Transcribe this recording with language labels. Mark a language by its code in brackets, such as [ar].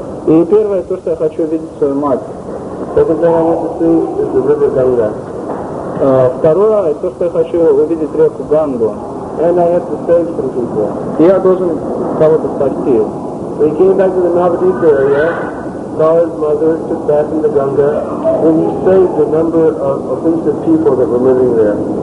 [ru] И первое то, что я хочу увидеть свою мать. [en] Second thing I want to see is the river Ganga. [ru] Второе, то, что я хочу увидеть реку Гангу. [en] And I have to save some people. [ru] Я должен кого-то спасти. [en] So he came back to the Navadvip area, saw his mother, took bath in the Ganga, and he saved the number of offensive people that were living there.